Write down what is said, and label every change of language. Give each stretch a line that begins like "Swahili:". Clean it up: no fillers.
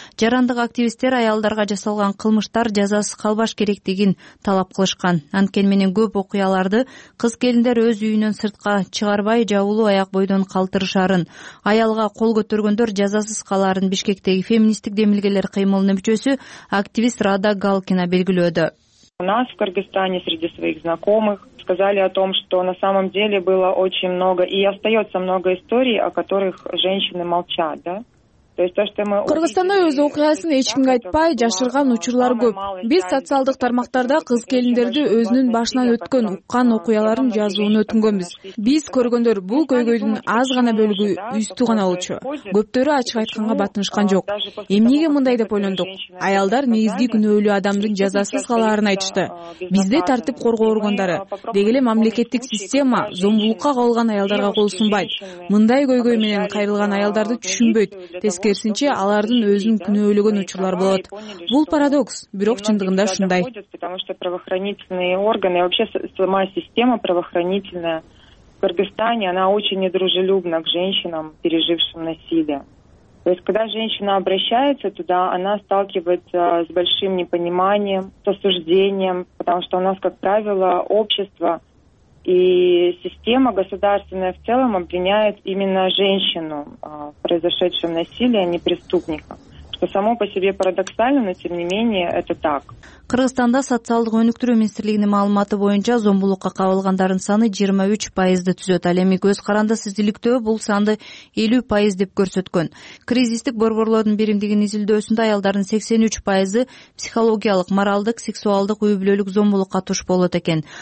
Kyrgyz: Жарандык активисттер аялдарга жасалган кылмыштар жазасы калбаш керектигин талап кылышкан. Анткени менен көп окуяларды кыз келиндер өз үйүнөн сыртка чыгарбай жабылуу аяк бойдон калтырышат. Аялга кол көтөргөндөр жазасыз калаарын Бишкектеги феминисттик демилгелер кыймылынын мүчөсү активист Рада Галкина белгилөөдө.
Russian: У нас в Кыргызстане среди своих знакомых сказали о том, что на самом деле было очень много и остается много историй, о которых женщины молчат, да?
Kyrgyz: Кыргызстанда өз окуясын эч кимге айтпай жашырган учурлар көп. Биз социалдык тармактарда кыз келиндерди өзүнүн башынан өткөн уккан окуяларын жазууну өтүнгөнбүз. Биз көргөндөр бул көйгөйдүн аз гана бөлүгү, үстү гана болчу. Көптөрү ачык айтканга батынышкан жок. Эмнеге мындай деп ойлондук? Аялдар негизги күнөөлүү адамдын жазасыз калаарын айтышты. Бизде тартип коргоо органдары, деги эле мамлекеттик система зомбулукка калган аялдарга кол сунбайт. Мындай көйгөй менен кайрылган аялдарды түшүнбөйт. Тескерисинче алардын өзүн күнөөлөгөн учурлар болот. Бул парадокс, бирок чындыгында шундай.
Russian: Потому что правоохранительные органы, вообще сама система правоохранительная в Кыргызстане, она очень недружелюбна к женщинам, пережившим насилие. То есть когда женщина обращается туда, она сталкивается с большим непониманием, с осуждением, потому что у нас, как правило, общество и система государственная в целом обвиняет именно женщину в произошедшем насилии, а не преступника. Что само по себе парадоксально, но тем не менее это так.
Kyrgyz: Кыргызстанда социалдык өнүктүрүү министрлигинин маалыматы боюнча зомбулукка кабылгандардын саны 23% түзөт. Ал эми көз карандысыз иликтөө бул санды 50% деп көрсөткөн. Кризистик борборлордун биримдигинин изилдөөсүндө аялдардын 83% психологиялык, моралдык, сексуалдык, үй бүлөлүк зомбулукка туш болот экен.